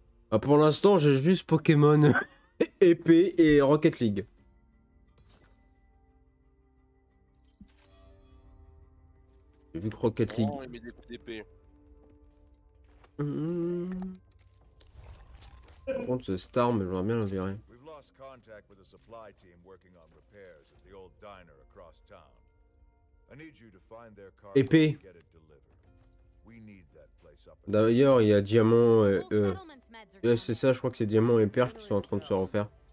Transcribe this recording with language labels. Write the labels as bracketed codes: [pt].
[fr] Ah, pour l'instant, j'ai juste Pokémon épée et Rocket League. J'ai vu que Rocket League. Oh, il met des coups d'épée. Par contre, ce Star, mais j'aimerais bien le virer. [en] We've lost contact with a supply team working on repairs at the old diner across town. I need you to find their car and get it delivered. We need that. [fr] D'ailleurs, il y a diamant et c'est ça, je crois que c'est diamant et perles qui sont en train de se refaire.